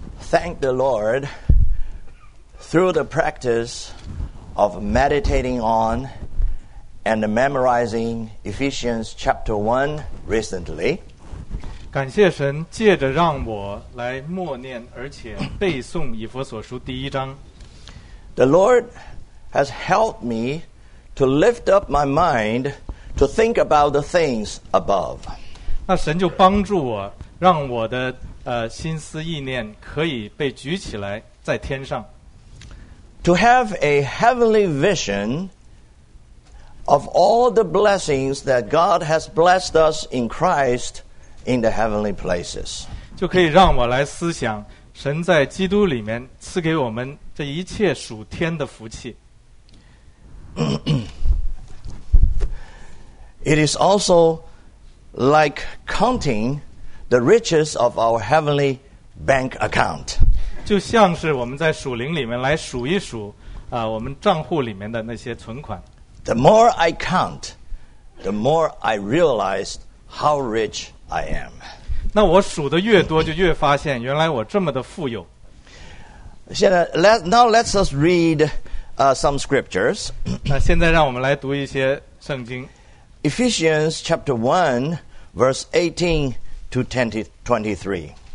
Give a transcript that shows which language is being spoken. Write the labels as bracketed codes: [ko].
[en] Thank the Lord through the practice of meditating on and memorizing Ephesians chapter 1 recently. [zh] 感谢神，借着让我来默念而且背诵以弗所书第一章。 [en] The Lord has helped me to lift up my mind to think about the things above. [zh] 那神就帮助我，让我的心思意念可以被举起来在天上。 [en] To have a heavenly vision of all the blessings that God has blessed us in Christ in the heavenly places. [zh] 就可以让我来思想神在基督里面赐给我们这一切属天的福气。 [en] It is also like counting the riches of our heavenly bank account. [zh] 就像是我们在属灵里面来数一数我们账户里面的那些存款。 [en] The more I count, the more I realize how rich I am. [zh] 那我数的越多，就越发现原来我这么的富有。现在 [en] let's us read some scriptures. [zh] 那现在让我们来读一些圣经。 [en] Ephesians chapter 1, verse 18 to 23.